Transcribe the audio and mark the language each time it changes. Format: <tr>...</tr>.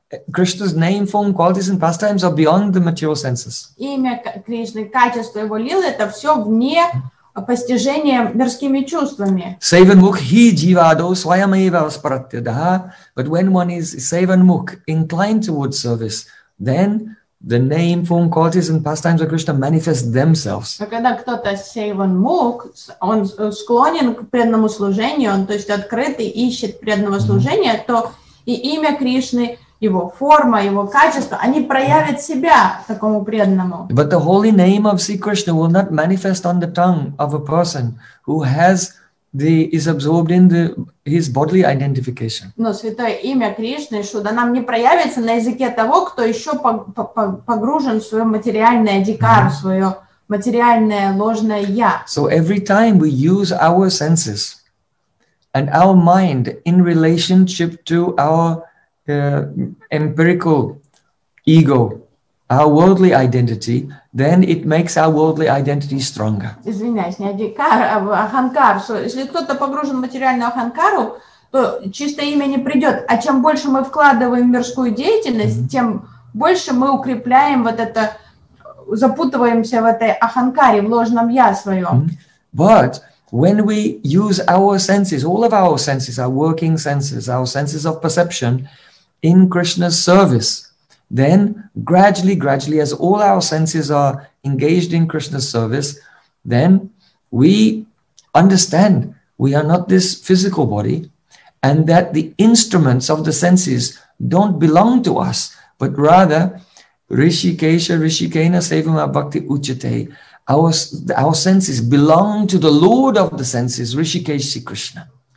<en>Krishna's name, form, qualities and pastimes are beyond the material senses.</en> <ru>Имя Кришны, качество его лилы, это все вне постижение мирскими чувствами.</ru> <sa>Сейванмук хи дживадо свайамаева спараттидаха.</sa> <en>But when one is сейванмук, inclined towards service, then the name, form, qualities and pastimes of Krishna manifest themselves.</en> <ru>Когда кто-то сейванмук, он склонен к преданному служению, он, то есть, открыт и ищет преданного служения, то и имя Кришны, его форма, его качество, они проявят себя такому преданному.</ru> <en>But the holy name of Sri Krishna will not manifest on the tongue of a person who has is absorbed in the his bodily identification.</en> <ru>Но святое имя Кришны Шуда нам не проявится на языке того, кто еще погружен в свое материальное дикар, в свое материальное ложное я.</ru> <en>So every time we use our senses and our mind in relationship to our empirical ego, our worldly identity, then it makes our worldly identity stronger.</en> <ru>Извиняюсь, не адикар, а аханкар. Если кто-то погружен в материальную аханкару, то чистое имя не придет. А чем больше мы вкладываем в мирскую деятельность, mm-hmm. тем больше мы укрепляем вот это, запутываемся в этой аханкаре, в ложном я своем. Mm-hmm.</ru> <en>But when we use our senses, all of our senses, our working senses, our senses of perception, in Krishna's service, then gradually, as all our senses are engaged in Krishna's service, then we understand we are not this physical body, and that the instruments of the senses don't belong to us, but rather,</en> <sa>Rishikesha, Rishikena, Sevama Bhakti Uchate,</sa> <en>our senses belong to the Lord of the senses, Rishikesha Krishna.</en>